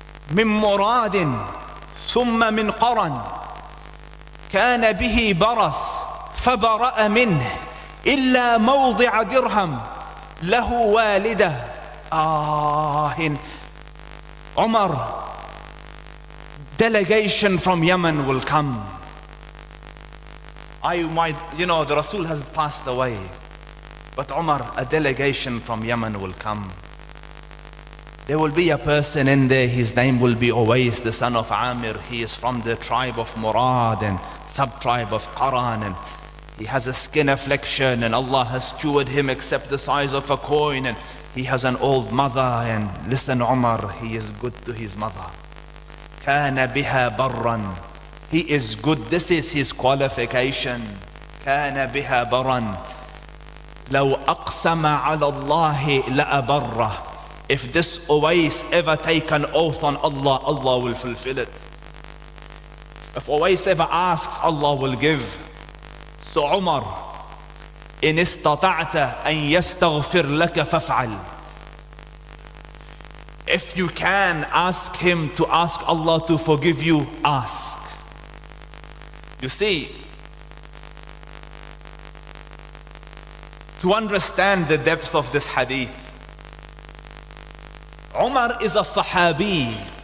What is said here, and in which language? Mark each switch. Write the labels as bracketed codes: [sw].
[ar] من مراد ثم من قرن كان به برس فبرأ منه إلا موضع درهم له والدة آهن [en] Umar, delegation from Yemen will come. You know, the Rasul has passed away. But Umar, a delegation from Yemen will come. There will be a person in there, his name will be Uwais, the son of Amir. He is from the tribe of Murad and sub-tribe of Qaran. And he has a skin affliction and Allah has cured him except the size of a coin. And he has an old mother, and listen, Umar, he is good to his mother. [ar] Kana biha barran. [en] He is good. This is his qualification. [ar] Kana biha barran. Law aqsama ala Allahi la'abarra. [en] If this Uwais ever take an oath on Allah, Allah will fulfill it. If Uwais ever asks, Allah will give. So Umar, [ar] إن استطعت أن يستغفر لك فافعل [en] If you can ask him to ask Allah to forgive you, ask. You see, to understand the depth of this hadith, Umar is a Sahabi.